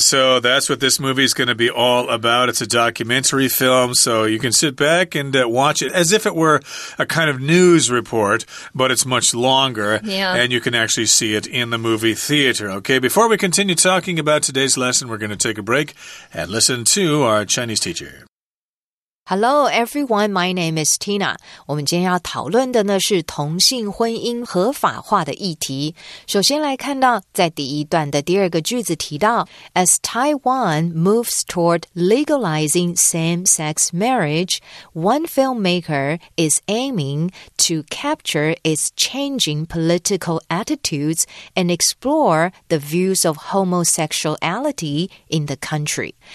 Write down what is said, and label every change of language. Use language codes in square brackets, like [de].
[en] So that's what this movie is going to be all about. It's a documentary film, so you can sit back and watch it as if it were a kind of news report, but it's much longer. Yeah. And you can actually see it in the movie theater. Okay, before we continue talking about today's lesson, we're going to take a break and listen to our Chinese teacher. Hello, everyone. My name is Tina. [zh] 我们今天要讨论的呢是同性婚姻合法化的议题。首先来看到在第一段的第二个句子提到 [en] As Taiwan moves toward legalizing same-sex marriage, one filmmaker is aiming to capture its changing political attitudes and explore the views of homosexuality in the country.